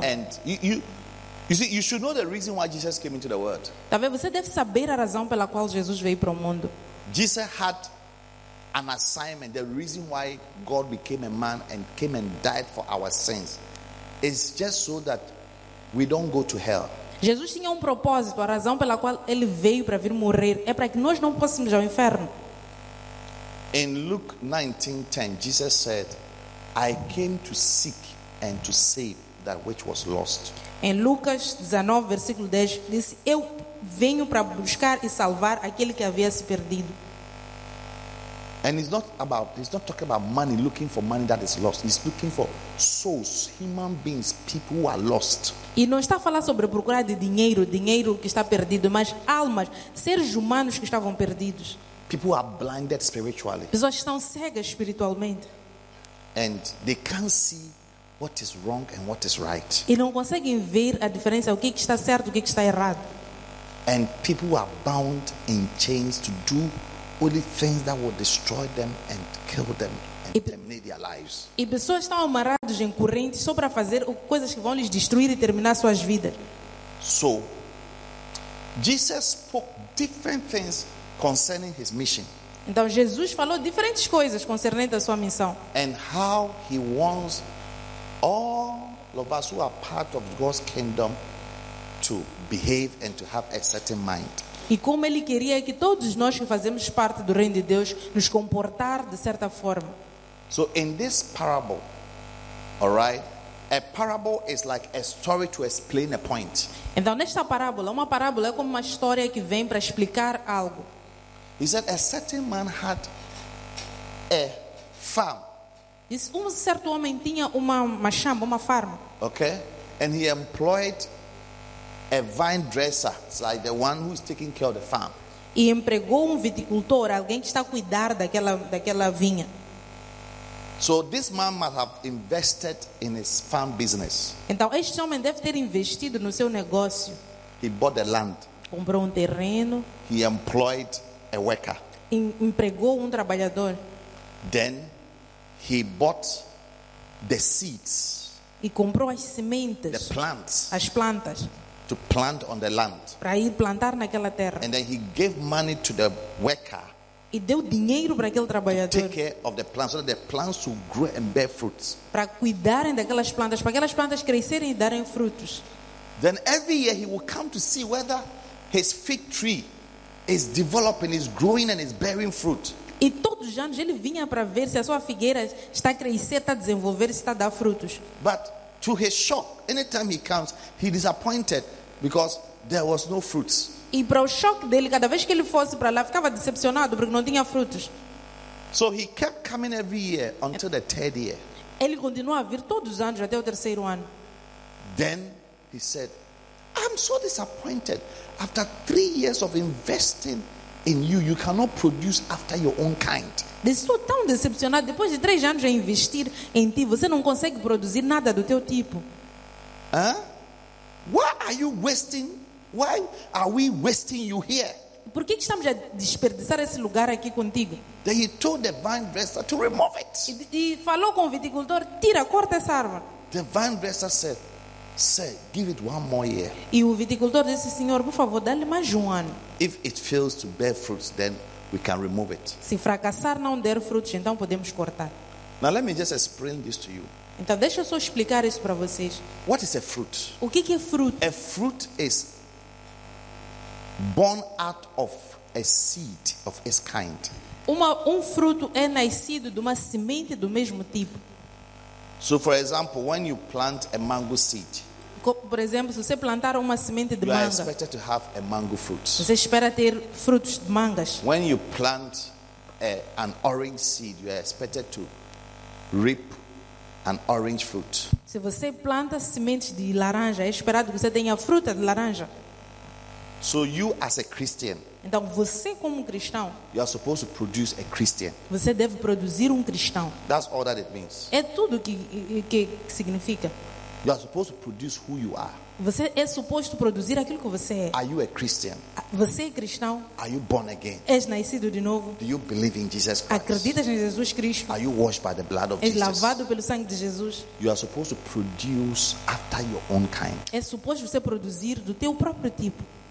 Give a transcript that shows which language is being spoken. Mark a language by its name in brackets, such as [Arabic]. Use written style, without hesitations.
[English] And you see, you should know the reason why Jesus came into the world. [Portuguese] Talvez você deve saber a razão pela qual Jesus veio para o mundo. [English] Jesus had an assignment. The reason why God became a man and came and died for our sins. It's just so that we don't go to hell. [Portuguese] Jesus tinha um propósito, a razão pela qual ele veio para vir morrer é para que nós não possamos ir ao inferno. [English] In Luke 19:10, Jesus said, "I came to seek and to save that which was lost." [Portuguese] Em Lucas 19, versículo 10, disse: "Eu venho para buscar e salvar aquele que havia se perdido." [English] And he's not talking about money, looking for money that is lost. He's looking for souls, human beings, people who are lost. [Portuguese] E não está a falar sobre procurar de dinheiro, dinheiro que está perdido, mas almas, seres humanos que estavam perdidos. [English] People who are blinded spiritually. [Portuguese] Pessoas que estão cegas espiritualmente. [English] And they can't see what is wrong and what is right. [Portuguese] E não conseguem ver a diferença, o que está certo, o que está errado. [English] And people who are bound in chains to do only things that will destroy them and kill them and terminate their lives. [Portuguese] E pessoas estão amarradas em correntes só para fazer coisas que vão lhes destruir e terminar suas vidas. [English] So, Jesus spoke different things concerning his mission. [Portuguese] Então Jesus falou diferentes coisas concernente a sua missão. [English] And how he wants all of us who are part of God's kingdom to behave and to have a certain mind. [Portuguese] E como ele queria que todos nós que fazemos parte do reino de Deus nos comportar de certa forma. [English] So in this parable, all right, a parable is like a story to explain a point. [Portuguese] Então nesta parábola, uma parábola é como uma história que vem para explicar algo. [English] He said a certain man had a farm. [Portuguese] Diz, certo homem tinha uma chamba, uma farm. [English] Okay, and he employed a vine dresser, it's like the one who is taking care of the farm. [Portuguese] E empregou viticultor, alguém que está a cuidar daquela vinha. [English] So this man must have invested in his farm business. [Portuguese] Então este homem deve ter investido no seu negócio. [English] He bought the land. [Portuguese] Comprou terreno. [English] He employed a worker. [Portuguese] Empregou trabalhador. [English] Then he bought the seeds. [Portuguese] E comprou as sementes. [English] The plants. [Portuguese] As plantas. [English] To plant on the land. [Portuguese] Para ir plantar naquela terra. [English] And then he gave money to the worker. [Portuguese] E deu dinheiro para aquele trabalhador. [English] To take care of the plants, so that the plants will grow and bear fruits. [Portuguese] Para cuidarem daquelas plantas, para aquelas plantas crescerem e darem frutos. [English] Then every year he will come to see whether his fig tree is developing, is growing, and is bearing fruit. [Portuguese] E todos os anos ele vinha para ver se a sua figueira está a crescer, está a desenvolver, se está a dar frutos. [English] But to his shock, anytime he comes, he disappointed because there was no fruits. [Portuguese] E para o choque dele, cada vez que ele fosse para lá, ficava decepcionado porque não tinha frutos. [English] So he kept coming every year until the third year. [Portuguese] Ele continuou a vir todos os anos até o terceiro ano. [English] Then he said, I'm so disappointed. After 3 years of investing in you, you cannot produce after your own kind. [Portuguese] Estou tão decepcionado. Depois de 3 anos de investir em ti, você não consegue produzir nada do teu tipo. [English] Huh? Why are you wasting? Why are we wasting you here? [Portuguese] Por que estamos a desperdiçar esse lugar aqui contigo? [English] Then he told the vine dresser to remove it. [Portuguese] E falou com o viticultor, tira, corta essa árvore. [English] The vine dresser said, sir, give it one more year. [Portuguese] E o viticultor disse, senhor, por favor, dá-lhe mais um ano. [English] If it fails to bear fruits, then we can remove it. [Portuguese] Se fracassar não der frutos, então podemos cortar. [English] Now let me just explain this to you. [Portuguese] Então deixa eu só explicar isso para vocês. [English] What is a fruit? [Portuguese] O que é fruto? [English] A fruit is born out of a seed of its kind. [Portuguese] Um fruto é nascido de uma semente do mesmo tipo. [English] So for example, when you plant a mango seed, [Portuguese] por exemplo, se você plantar uma semente de [English] manga, you are expected to have a mango fruit. [Portuguese] Você espera ter frutos de mangas. [English] When you plant an orange seed, you are expected to reap an orange fruit. [Portuguese] Se você planta sementes de laranja, é esperado que você tenha fruta de laranja. [English] So you as a Christian, [Portuguese] então você como cristão, [English] you are supposed to produce a Christian. [Portuguese] Você deve produzir cristão. [English] That's all that it means. [Portuguese] É tudo que significa. [English] You are supposed to produce who you are. [Portuguese] Você é suposto produzir aquilo que você é. [English] Are you a Christian? [Portuguese] Você é cristão? [English] Are you born again? [Portuguese] És nascido de novo? [English] Do you believe in Jesus Christ? [Portuguese] Acreditas em Jesus Cristo? [English] Are you washed by the blood of Jesus? [Portuguese] És lavado pelo sangue de Jesus? [English] You are supposed to produce after your own kind. [Portuguese] É suposto você produzir do teu próprio tipo.